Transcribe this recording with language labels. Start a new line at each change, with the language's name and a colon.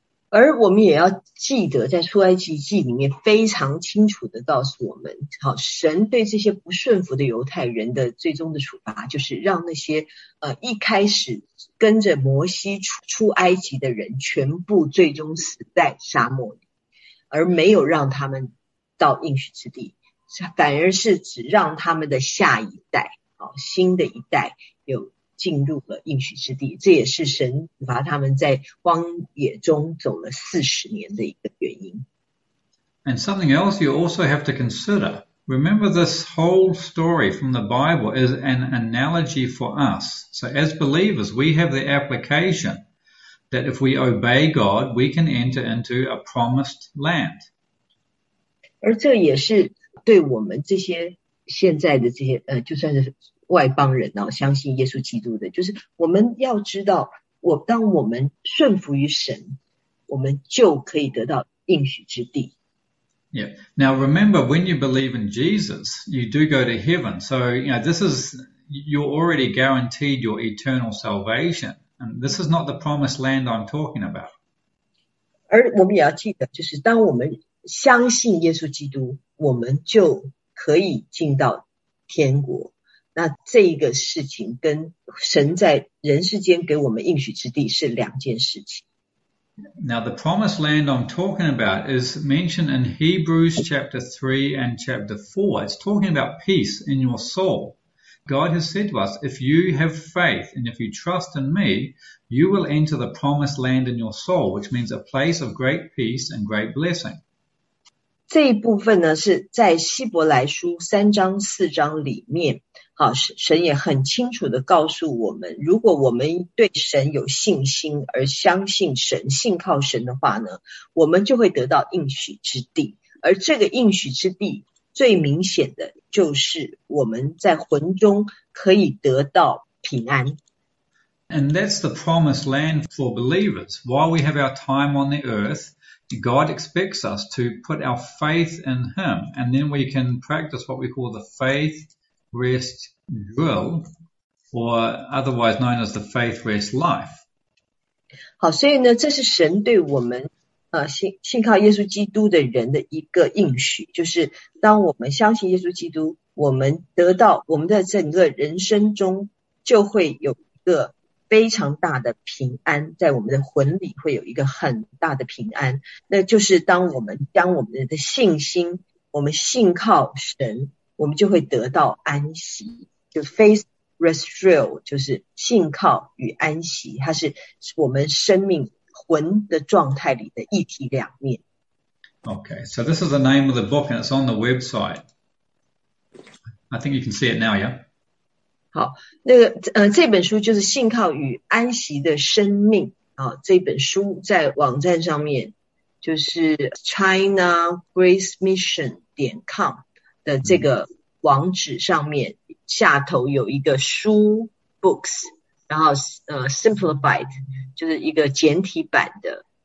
Chinese: 而我们也要记得，在出埃及记里面非常清楚地告诉我们，好，神对这些不顺服的犹太人的最终的处罚，就是让那些一开始跟着摩西出埃及的人，全部最终死在沙漠里，而没有让他们到应许之地，反而是只让他们的下一代，好，新的一代有进入了应许之地，这也是神处罚他们在荒野中走了40年的一个原因。
English: And something else you also have to consider. Remember, this whole story from the Bible is an analogy for us. So, as believers, we have the application that if we obey God, we can enter into a promised land.
Chinese: 而这也是对我们这些现在的这些就算是外邦人啊，相信耶稣基督的，就是我们要知道，当我们顺服于神，我们就可以得到应许之地。
English: Yeah. Now remember, when you believe in Jesus, you do go to heaven. So, this is you're already guaranteed your eternal salvation. And this is not the promised land I'm talking about.
Chinese: 而我们也要记得，就是当我们相信耶稣基督，我们就可以进到天国。那这一个事情跟神在人世间给我们应许之地是两件事情。
English: Now, the promised land I'm talking about is mentioned in Hebrews chapter 3 and chapter 4. It's talking about peace in your soul. God has said to us, if you have faith and if you trust in me, you will enter the promised land in your soul, which means a place of great peace and great blessing.
Chinese: 这一部分呢，是在希伯来书3章4章里面。好，神也很清楚地告诉我们，如果我们对神有信心，而相信神、信靠神的话呢，我们就会得到应许之地。而这个应许之地，最明显的就是我们在魂中可以得到平安。
English: And that's the promised land for believers. While we have our time on the earth, God expects us to put our faith in Him, and then we can practice what we call the faith rest drill, or otherwise known as the faith rest life.
Chinese: 好，所以呢，这是神对我们，信靠耶稣基督的人的一个应许，就是当我们相信耶稣基督，我们得到我们的整个人生中就会有一个非常大的平安，在我们的魂里会有一个很大的平安，那就是当我们将我们的信心，我们信靠神，我们就会得到安息，就
English: faith rest real
Chinese: 就是信靠与安息，它是我们生命魂的状态里的一体两面。
English: Okay, so this is the name of the book and it's on the website. I think you can see it now, yeah?
Chinese: 好，那个这本书就是信靠与安息的生命啊，这本书在网站上面就是 chinagracemission.com 的这个网址上面下头有一个书 books，然后simplified 就是一个简体版的，